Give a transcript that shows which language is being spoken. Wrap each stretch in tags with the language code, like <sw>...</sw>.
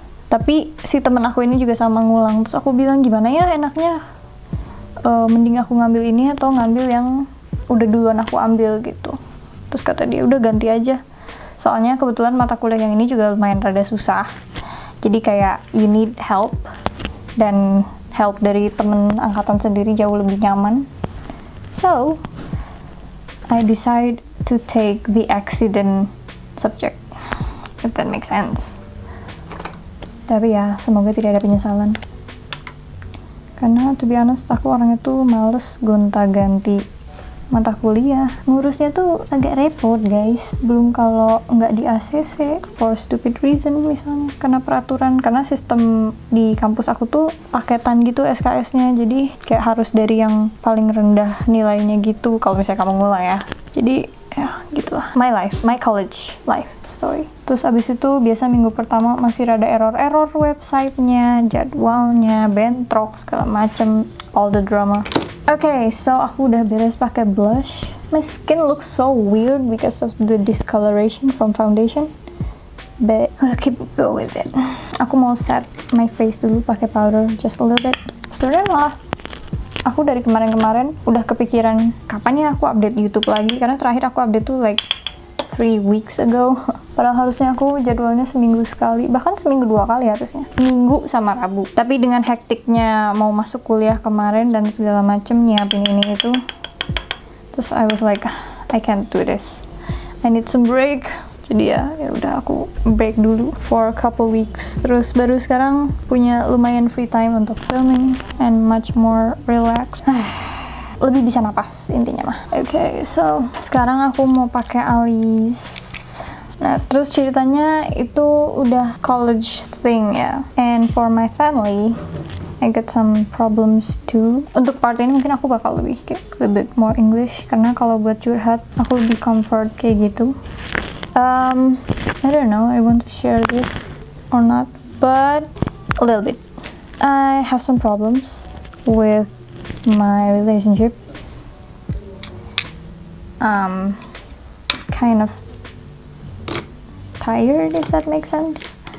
<id>Tapi si teman aku ini juga sama ngulang, terus aku bilang gimana ya enaknya, mending aku ngambil ini atau ngambil yang udah duluan aku ambil gitu. Terus kata dia udah ganti aja, soalnya kebetulan mata kuliah yang ini juga lumayan rada susah, jadi kayak you need help, dan help dari temen angkatan sendiri jauh lebih nyaman.</id> <en>So I decide to take the accident subject, if that makes sense.</en> <id>Tapi ya, semoga tidak ada penyesalan. Karena to be honest, aku orangnya tuh males gonta-ganti mata kuliah. Ngurusnya tuh agak repot, guys. Belum kalau nggak di ACC, for stupid reason misalnya. Karena peraturan, karena sistem di kampus aku tuh paketan gitu SKS-nya. Jadi kayak harus dari yang paling rendah nilainya gitu, kalau misalnya kamu ngulang ya.</id> <en>Jadi, ya gitulah. My life, my college life. Story.</en> <id>Terus abis itu biasa minggu pertama masih rada error-error websitenya, jadwalnya, bentrok, segala macem, all the drama. Okay, so aku udah beres pakai blush.</id> <en>My skin looks so weird because of the discoloration from foundation, but I'll keep go with it. Aku mau set my face dulu pakai powder, just a little bit.</en> <id>Sebenernya malah aku dari kemarin-kemarin udah kepikiran kapan ya aku update YouTube lagi, karena terakhir aku update tuh like 3 weeks ago. Padahal harusnya aku jadwalnya seminggu sekali, bahkan seminggu dua kali harusnya, Minggu sama Rabu. Tapi dengan hektiknya mau masuk kuliah kemarin dan segala macem nyiapin ini itu, terus I was like, I can't do this, I need some break. Jadi ya udah aku break dulu for a couple weeks, terus baru sekarang punya lumayan free time untuk filming and much more relaxed. Lebih bisa napas intinya mah. Okay, so sekarang aku mau pakai alis Nah, terus ceritanya itu udah college thing ya.</id> <en>And for my family, I get some problems too.</en> <id>Untuk part ini mungkin aku bakal lebih kayak a bit more English, karena kalau buat curhat aku lebih comfort kayak gitu.</id> <en>I don't know, I want to share this or not, but a little bit. I have some problems with my relationship. Kind of tired, if that makes sense.</en>